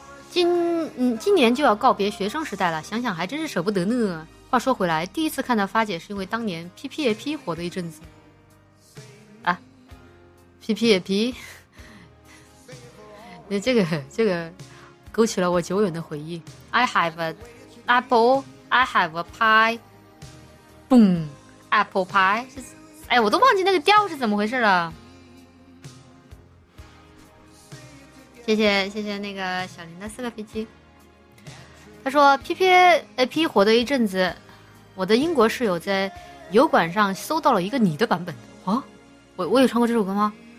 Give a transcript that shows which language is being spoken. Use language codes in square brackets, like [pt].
[zh] 今年就要告别学生时代了，想想还真是舍不得呢。话说回来，第一次看到发姐是因为当年 PPAP 火的一阵子啊。 PPAP 那这个勾起了我久远的回忆。 [en] I have an apple, I have a pie, boom, apple pie。 [zh] 哎，我都忘记那个调是怎么回事了。谢谢那个小林的四个飞机。他说 PPAP 火的一阵子，我的英国室友在油管上搜到了一个你的版本啊。我有唱过这首歌吗？